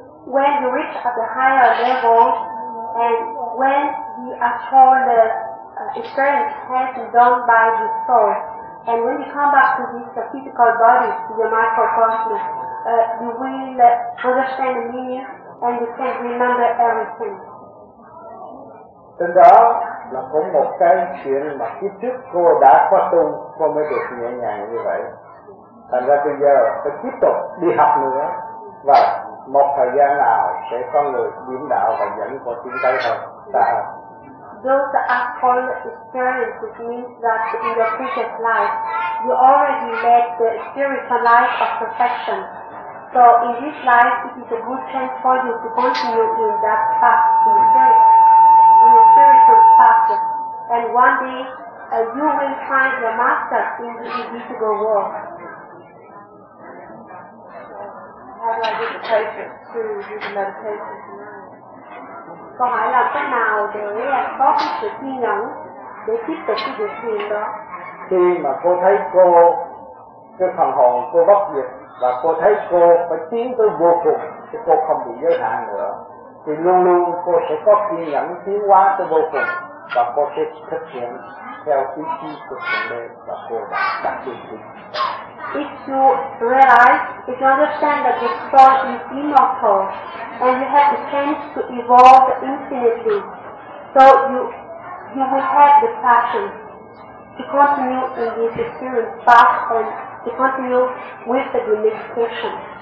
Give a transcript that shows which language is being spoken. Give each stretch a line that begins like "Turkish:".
English: When you reach at the higher level, and when the actual experience has been done by the soul, and when you come back to this physical body, to your microcosm, you will understand the meaning and you can remember everything.
Vietnamese: Tính đó là cũng một cái chuyện mà kiếp trước cô đã khóa tu, cô mới được nhẹ nhàng như vậy. Thành ra bây giờ phải tiếp tục đi học nữa, và một thời gian nào sẽ có người điểm đạo và dẫn cô tiến tới thôi.
English: Those actual experiences means that in your previous life, you already led the spiritual life of perfection. So in this life, it is a good chance for you to continue in that path, in the spiritual path. And one day, you will find your master in the invisible world. How do I get the patience to do the meditation?
Vietnamese: Câu hỏi là cách nào để có cái sự kiên nhẫn để tiếp tục cái việc thiền đó. Khi mà cô thấy cô cái phần hồn cô bất diệt và cô thấy cô phải tiến tới vô cùng chứ cô không bị giới hạn nữa, thì luôn luôn cô sẽ có kiên nhẫn tiến hóa tới vô cùng và cô sẽ thực hiện theo ý chí của Thượng Đế và cô đã đặt chương trình.
English: If you realize, if you understand that your soul is immortal and you have the chance to evolve infinitely, so you will have the passion to continue in this experience path and to continue with the meditation.